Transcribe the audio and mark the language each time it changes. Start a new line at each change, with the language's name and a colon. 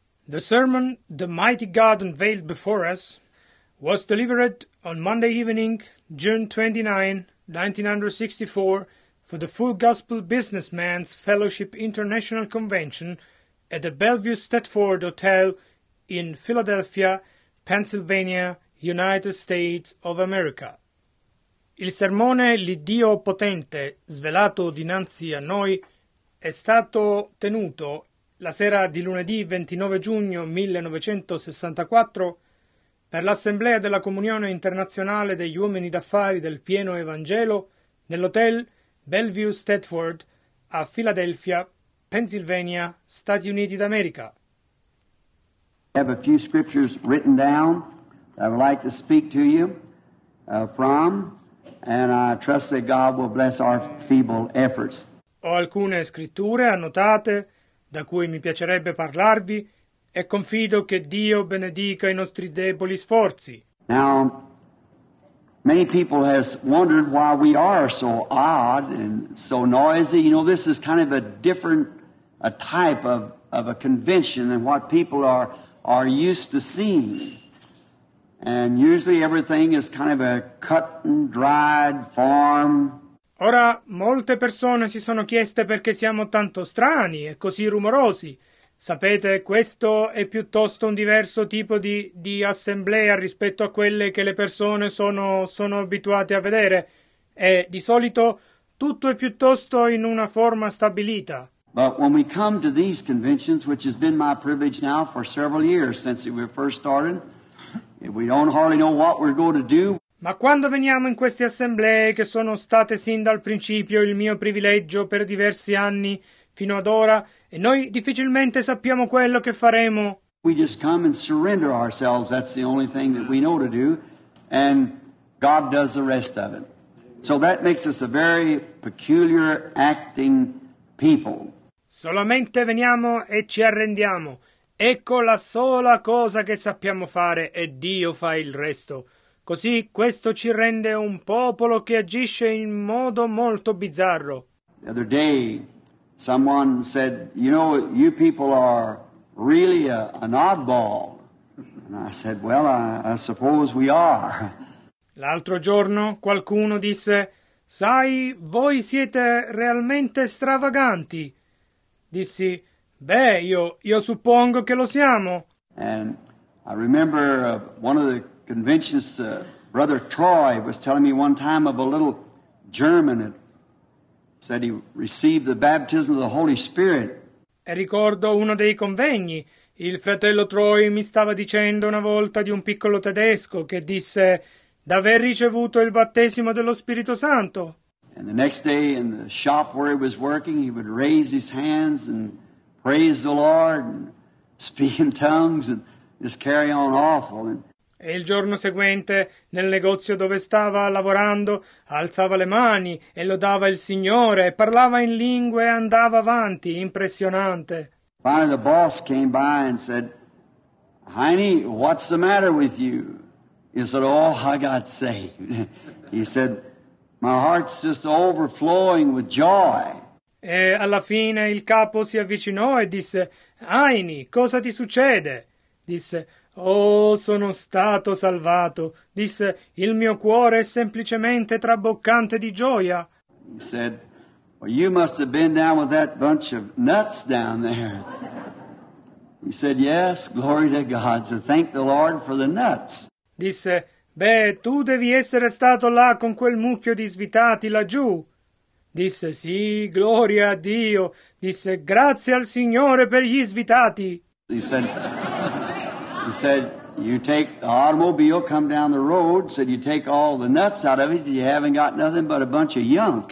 English: The sermon The Mighty God Unveiled Before Us was delivered on Monday evening, June 29, 1964, for the Full Gospel Businessmen's Fellowship International Convention at the Bellevue Stedford Hotel in Philadelphia, Pennsylvania, United States of America.
Italian: Il sermone L'Iddio Potente, svelato dinanzi a noi, è stato tenuto la sera di lunedì 29 giugno 1964 per l'Assemblea della Comunione Internazionale degli Uomini d'Affari del Pieno Evangelo nell'Hotel Bellevue Stedford a Philadelphia, Pennsylvania, Stati Uniti d'America.
English: I have a few scriptures written down that I would like to speak to you from, and I trust that God will bless our feeble efforts.
Italian: Ho alcune scritture annotate da cui mi piacerebbe parlarvi e confido che Dio benedica i nostri deboli sforzi.
English: Now, many people has wondered why we are so odd and so noisy. You know, this is kind of a different type of a convention than what people are used to seeing. And usually everything is kind of a cut and dried form.
Italian: Ora, molte persone si sono chieste perché siamo tanto strani e così rumorosi. Sapete, questo è piuttosto un diverso tipo di assemblea rispetto a quelle che le persone sono abituate a vedere. E di solito tutto è piuttosto in una forma stabilita.
English: But when we come to these conventions, which has been my privilege now for several years since we first started, we don't hardly know what we're going to do.
Italian: Ma quando veniamo in queste assemblee, che sono state sin dal principio il mio privilegio per diversi anni fino ad ora, e noi difficilmente sappiamo quello che faremo.
English: We just come and surrender ourselves, that's the only thing that we know to do, and God does the rest of it. So that makes us a very peculiar acting people.
Italian: Solamente veniamo e ci arrendiamo. Ecco la sola cosa che sappiamo fare e Dio fa il resto. Così questo ci rende un popolo che agisce in modo molto bizzarro.
English: The other day someone said, you know, you people are really an oddball. And I said, well, I suppose we are.
Italian: L'altro giorno qualcuno disse, sai, voi siete realmente stravaganti. Dissi, beh, io suppongo che lo siamo.
English: And I remember one of the conventions, Brother Troy was telling me one time of a little German that said he received the baptism of the Holy Spirit.
Italian: E ricordo uno dei convegni. Il fratello Troy mi stava dicendo una volta di un piccolo tedesco che disse d'aver ricevuto il battesimo dello Spirito Santo.
English: And the next day in the shop where he was working, he would raise his hands and praise the Lord and speak in tongues and just carry on awful.
Italian: E il giorno seguente, nel negozio dove stava lavorando, alzava le mani e lodava il Signore, parlava in lingue e andava avanti, impressionante.
English: Finally the boss came by and said, Heine, what's the matter with you? He said, oh, I got saved. He said, my heart's just overflowing with joy.
Italian: E alla fine il capo si avvicinò e disse, Heine, cosa ti succede? Disse, oh, sono stato salvato. Disse, il mio cuore è semplicemente traboccante di gioia.
English: He said, well, you must have been down with that bunch of nuts down there. He said, yes, glory to God. So thank the Lord for the nuts.
Italian: Disse, beh, tu devi essere stato là con quel mucchio di svitati laggiù. Disse, sì, gloria a Dio. Disse, grazie al Signore per gli svitati.
English: He said, you take the automobile, come down the road, said you take all the nuts out of it, you haven't got nothing but a bunch of yunk.